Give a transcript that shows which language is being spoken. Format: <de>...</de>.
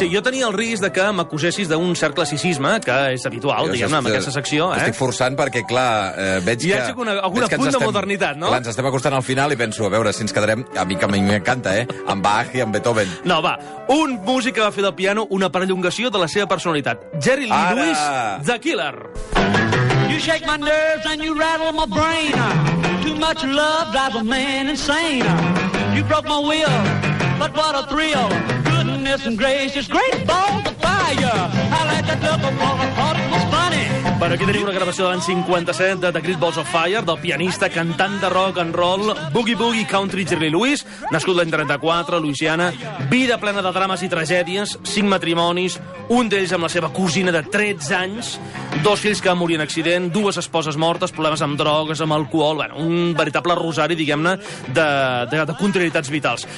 <ca>Sí, jo tenia el risc de que m'acusessis d'un cert classicisme, que és habitual, diguem-ne, amb aquesta secció. Estic forçant perquè, clar, veig que... Hi ha que, alguna punt de modernitat, no? Clar, ens estem acostant al final i penso, a veure si ens quedarem a mi que m'encanta, amb Bach i amb Beethoven. No, va, un músic que va fer del piano una perllongació de la seva personalitat. Jerry Lee Lewis, The Killer.</ca> <en>You shake my nerves and you rattle my brain. Too much love drives a man insane. You broke my will, but what a thrill. Goodness and gracious, great balls of fire. I let the devil fall apart.</en> <ca>Bueno, aquí tenim una gravació de l'any 57 de The Great Balls of Fire, del pianista, cantant de rock and roll, Boogie Boogie Country Jerry Lewis, nascut l'any 34, a Louisiana, vida plena de drames i tragèdies, 5 matrimonis, un d'ells amb la seva cosina de 13 anys, 2 fills que van morir en accident, 2 esposes mortes, problemes amb drogues, amb alcohol, bueno, un veritable rosari, diguem-ne, de contrarietats vitals.</ca>